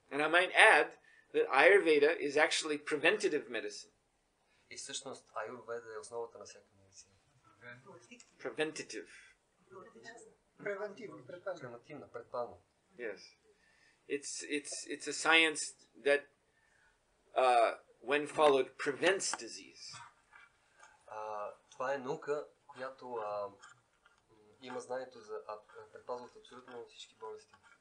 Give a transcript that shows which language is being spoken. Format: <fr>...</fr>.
<en>And I might add that Ayurveda is actually preventative medicine.</en> <bg>И всъщност Ayurveda е основата на всяка медицина.</bg> <en>Preventative.</en> <bg>Предпазна.</bg> <en>Yes. It's a science that when followed prevents disease.</en> <bg>Това е наука, която има знанието за предпазва от абсолютно всички болести.</bg>